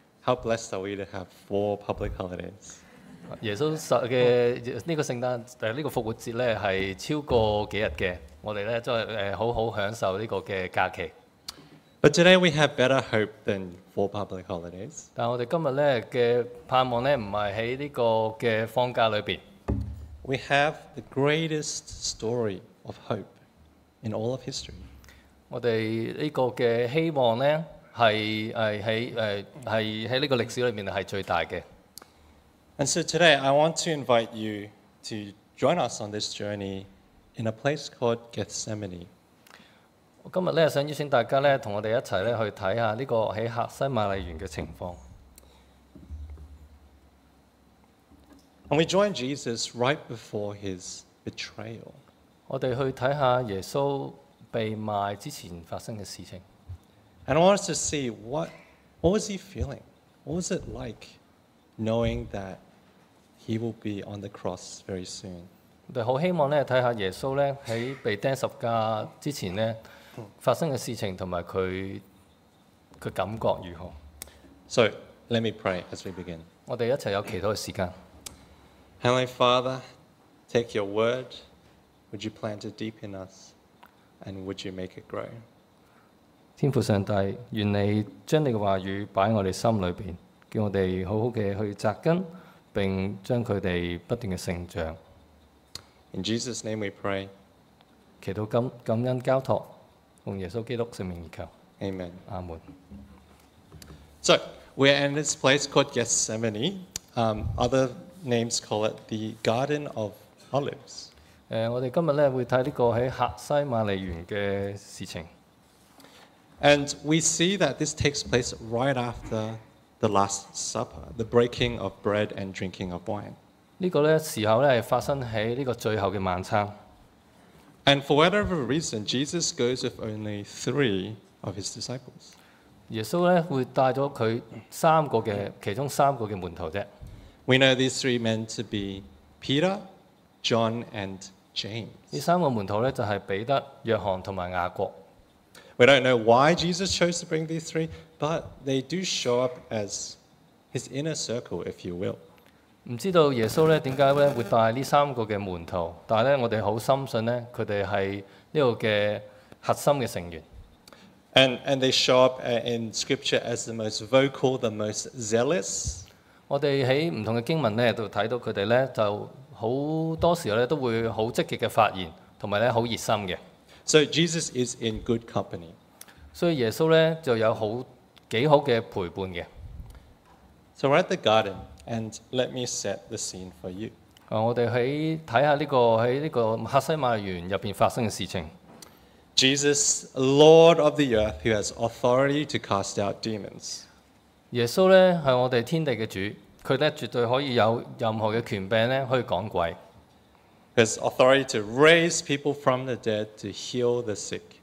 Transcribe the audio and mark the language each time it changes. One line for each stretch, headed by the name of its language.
English: How blessed are we to have four public holidays?
Cantonese: 耶穌嘅呢個聖誕呢個復活節咧係超過幾日嘅，我哋咧都係好好享受呢個嘅假期。
English: But today we have better hope than four public holidays.
Cantonese: 但我哋今日咧嘅盼望咧唔係喺呢個嘅放假裏邊。
English: We have the greatest story of hope in all of history.
Cantonese: 我哋呢個嘅希望咧係喺呢個歷史裏面係最大嘅。
English: And so today, I want to invite you to join us on this journey in a place called Gethsemane.
Cantonese: 今日咧，想邀请大家咧，同我哋一齐咧去睇下呢个喺客西马尼园嘅情况。
English: And we join Jesus right before his betrayal.
Cantonese: 我哋去睇下耶稣被卖之前发生嘅事情。
English: And I want us to see what was he feeling? What was it like? Knowing that he will be on the cross very soon.
Cantonese: 我好希望咧睇下耶穌咧喺被釘十架之前咧發生嘅事情同埋佢感覺如何。
English: So let me pray as we begin.
Cantonese: 我哋一齊有祈禱嘅時間。
English: Heavenly Father, take your word. Would you plant it deep in us, and would you make it grow?
Cantonese: 天父上帝，願你將你嘅話語擺喺我哋心裏邊。叫我哋好好嘅去扎根，并将佢哋不断嘅成长。
English: In Jesus' name we pray。
Cantonese: 祈祷感恩交托，奉耶稣基督圣名而求。
English: Amen。
Cantonese: 阿门。
English: So we're in this place called Gethsemane. Other names call it the Garden of Olives.
Cantonese: 我哋今日咧会睇呢个喺客西马尼园嘅事情。
English: And we see that this takes place right after. The Last Supper, the breaking of bread and drinking of wine.
Cantonese: 呢個咧時候咧係發生喺呢個最後嘅晚餐。
English: And for whatever reason, Jesus goes with only three of his disciples.
Cantonese: 耶穌咧會帶咗佢三個嘅其中三個嘅門徒啫。
English: We know these three men to be Peter, John, and James.
Cantonese: 呢三個門徒咧就係彼得、約翰同埋雅各。
English: We don't know why Jesus chose to bring these three. But they do show up as his inner circle, if you will.
Cantonese: 唔知道耶穌咧點解咧會帶呢三個嘅門徒，但係咧我哋好深信咧佢哋係呢個嘅核心嘅成員。
English: And they show up in scripture as the most vocal, the most zealous.
Cantonese: 我哋喺唔同嘅經文咧都睇到佢哋咧就好多時候咧都會好積極嘅發言，同埋咧好熱心嘅。
English: So Jesus is in good company.
Cantonese: 所以耶穌咧就有好幾好嘅陪伴嘅。
English: So we're at the garden, and let me set the scene for you.
Cantonese: 我哋喺睇下呢個喺呢個客西馬尼園入邊發生嘅事情。
English: Jesus, Lord of the earth, who has authority to cast out demons.
Cantonese: 耶穌咧係我哋天地嘅主，佢咧絕對可以有任何嘅權柄咧去趕鬼。
English: His authority to raise people from the dead to heal the sick.